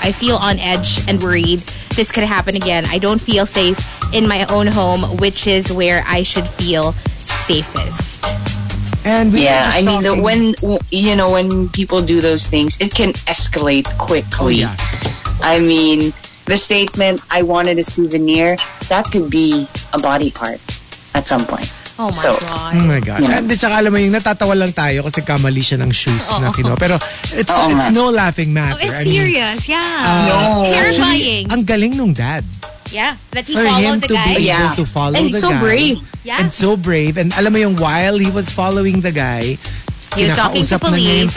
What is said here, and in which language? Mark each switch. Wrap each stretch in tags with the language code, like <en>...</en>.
<en>I feel on edge and worried. This could happen again. I don't feel safe in my own home, which is where I should feel safest." And when people do those things, it can escalate quickly. Oh, yeah. I mean, the statement, "I wanted a souvenir," that could be a body part at some point. Oh my God. You know. And</en> <tl>di tsaka alam mo yung natatawa lang tayo kasi kamali siya ng shoes na kinuha. Pero</tl> <en>it's no laughing matter. Oh, it's serious. Terrifying. Actually,</en> <tl>ang galing nung dad.</tl> <en>Yeah, that he followed the guy. For him to follow the guy. And so brave. And so brave. And</en> <tl>alam mo yung</tl> <en>while he was following the guy, he was talking to police.</en>